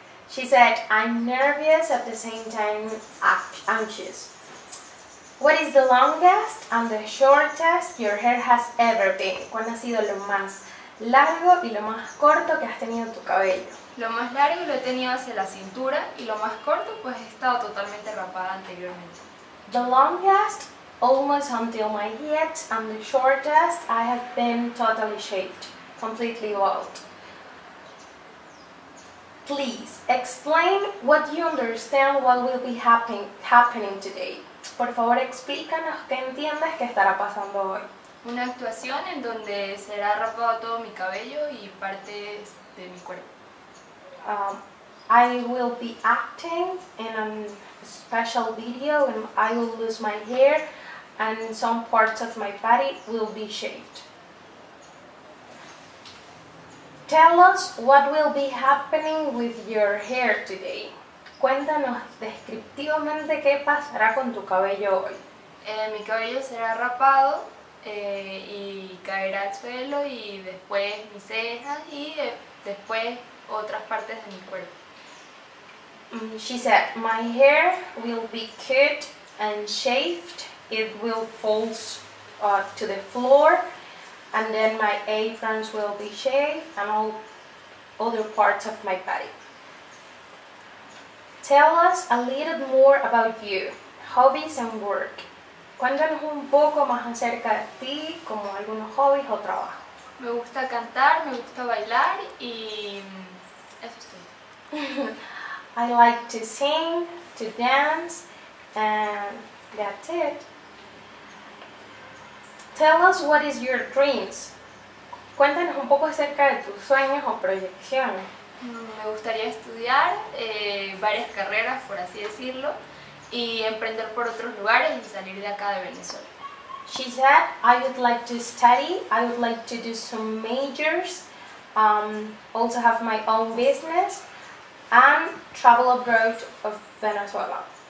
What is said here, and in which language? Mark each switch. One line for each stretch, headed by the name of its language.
English: She said, I'm nervous at the same time anxious. What is the longest and the shortest your hair has ever been?
Spanish: ¿Cuál ha sido lo más largo y lo más corto que has tenido tu cabello? Lo más largo lo he tenido hacia la cintura y lo más corto pues he estado totalmente rapada anteriormente.
English: The longest almost until my head and the shortest I have been totally shaved, completely bald. Please explain what you understand what will be happening today.
Spanish: Por favor, explícanos qué entiendes que estará pasando hoy. Una actuación en donde será rapado todo mi cabello y partes de mi cuerpo.
English: I will be acting in a special video and I will lose my hair and some parts of my body will be shaved. Tell us what will be happening with your hair today.
Spanish: Cuéntanos descriptivamente qué pasará con tu cabello hoy. Mi cabello será rapado y caerá al suelo y después mis cejas y después otras partes de mi cuerpo.
English: She said, my hair will be cut and shaved. It will fall to the floor and then my aprons will be shaved and all other parts of my body. Tell us a little more about you, hobbies and work.
Spanish: Cuéntanos un poco más acerca de ti, como algunos hobbies o trabajo. Me gusta cantar, me gusta bailar y eso es todo.
English: I like to sing, to dance, and that's it. Tell us what is your dreams.
Spanish: Cuéntanos un poco acerca de tus sueños o proyecciones. Me gustaría estudiar varias carreras, por así decirlo, y emprender por otros lugares y salir de acá de Venezuela.
English: She said, I would like to study, I would like to do some majors, also have my own business, and travel abroad of Venezuela.